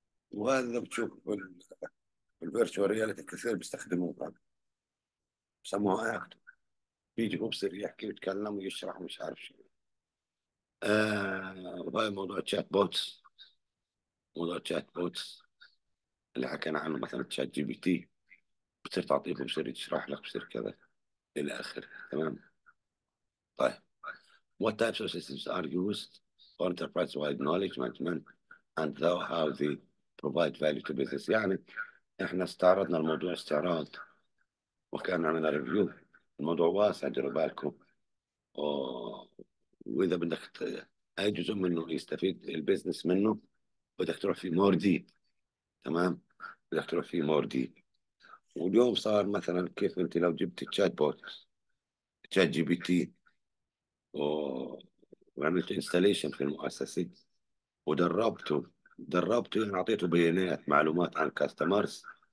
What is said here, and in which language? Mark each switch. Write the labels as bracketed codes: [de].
[ar] وهذا بتشوف الفيرتشوال رياليتي كثير بيستخدموه، هذا بسموها اكت، بيجي هو بصير يحكي ويتكلم ويشرح مش عارف شو. وهاي موضوع تشات بوتس، موضوع تشات بوتس اللي حكينا عنه، مثلا تشات جي بي تي بصير تعطيه بصير يشرح لك بصير كذا الى اخره. تمام، طيب [en] what types of systems are used for enterprise wide knowledge management and how they provide value to business. [ar] يعني احنا استعرضنا الموضوع استعراض وكان عملنا ريفيو، الموضوع واسع ديروا بالكم، واذا بدك اي جزء منه يستفيد البزنس منه بدك تروح فيه مور ديب. تمام، بدك تروح فيه مور ديب. واليوم صار مثلا كيف انت لو جبت تشات بوت تشات جي بي تي وعملت انستاليشن في المؤسسه ودربته، دربته يعني اعطيته بيانات معلومات عن كاستمرز.